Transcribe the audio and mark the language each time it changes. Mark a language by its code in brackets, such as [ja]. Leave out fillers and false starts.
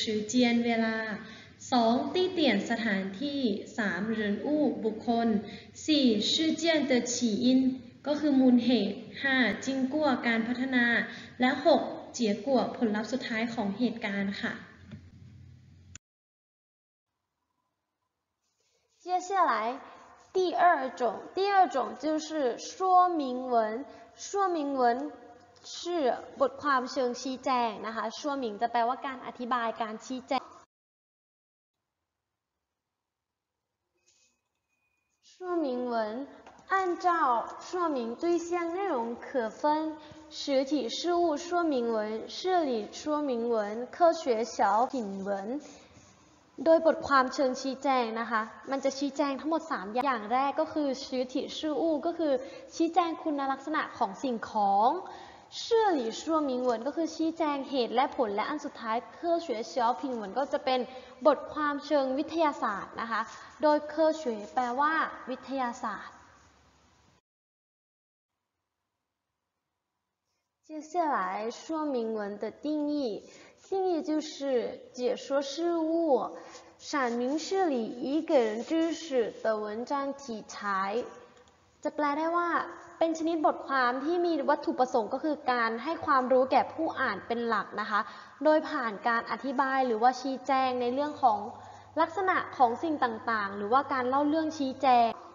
[th] ชื่อเจียนเวลา 2. ตี้เตี่ยนสถานที่ 3. เหรินอู้บุคคล 4. ชื่อเจียนเตอร์ฉีอินก็คือมูลเหตุ 5. จิงกั่วการพัฒนาและ 6. เจียกั่วผลลัพธ์สุดท้ายของเหตุการณ์ค่ะ [zh] 接下来第二种，第二种就是说明文。说明文是 [th] บทความเชิงชี้แจงนะคะ [zh] 说明 [th] จะแปลว่าการอธิบายการชี้แจง [zh] 说明文按照说明对象内容可分实体事物说明文事理说明文科学小品文 [th] โดยบทความเชิงชี้แจงนะคะมันจะชี้แจงทั้งหมด3อย่างแรกก็คือชื่อที่ชื่ออู้ก็คือชี้แจงคุณลักษณะของสิ่งของชื่อหลี่ชั่วมิงเหวินก็คือชี้แจงเหตุและผลและอันสุดท้ายเคอเฉวเฉียวผิงเหวินก็จะเป็นบทความเชิงวิทยาศาสตร์นะคะโดยเคอเฉวแปลว่าวิทยาศาสตร์ [zh] 接下来说明文的定义，定义就是解说事物，阐明事理以给人知识的文章题材。 [th] จะแปลได้ว่าเป็นชนิดบทความที่มีวัตถุประสงค์ก็คือการให้ความรู้แก่ผู้อ่านเป็นหลักนะคะโดยผ่านการอธิบายหรือว่าชี้แจงในเรื่องของลักษณะของสิ่งต่างๆหรือว่าการเล่าเรื่องชี้แจง